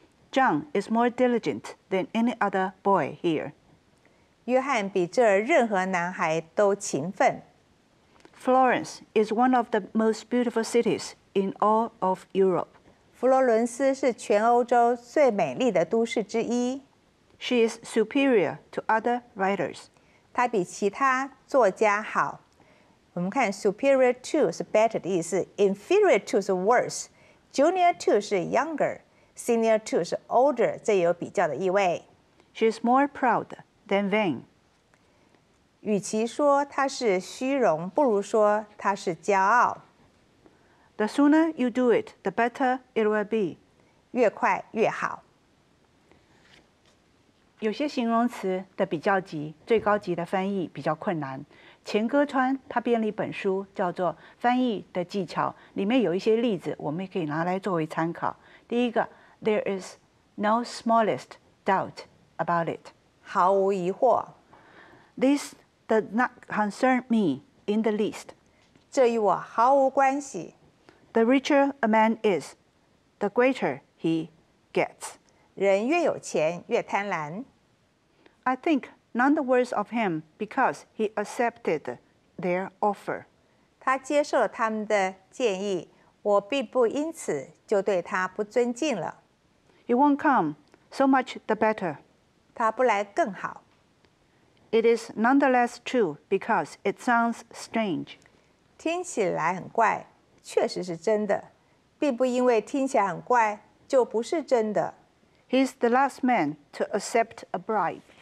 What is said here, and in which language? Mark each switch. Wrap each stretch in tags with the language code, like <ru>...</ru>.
<en>John is more diligent than any other boy here.</en> <zh>约翰比这任何男孩都勤奋。</zh> <en>Florence is one of the most beautiful cities in all of Europe.</en> <zh>佛罗伦斯是全欧洲最美丽的都市之一。</zh> <en>She is superior to other writers.</en> <zh>她比其他作家好。我们看 superior to 是 better 的意思， inferior to 是 worse， junior to 是 younger， senior to 是 older， 这有比较的意味。</zh> <en>She is more proud than vain.</en> <zh>与其说她是虚荣，不如说她是骄傲。</zh> <en>The sooner you do it, the better it will be.</en> <zh>越快越好。有些形容词的比较级、最高级的翻译比较困难。钱歌川他编了一本书叫做《翻译的技巧》，里面有一些例子我们可以拿来作为参考。第一个</zh> <en>There is no smallest doubt about it，</en> <zh>毫无疑惑。</zh> <en>This does not concern me in the least，</en> <zh>这与我毫无关系。</zh> <en>The richer a man is, the greater he gets，</en> <zh>人越有钱越贪婪。</zh> <en>I thinkNone the worse of him because he accepted their offer.</en> <zh>他接受了他们的建议，我并不因此就对他不尊敬了。</zh> <en>He won't come, so much the better.</en> <zh>他不来更好。</zh> <en>It is nonetheless true because it sounds strange.</en> <zh>听起来很怪，确实是真的，并不因为听起来很怪就不是真的。</zh> <en>He's the last man to accept a bribe.</en>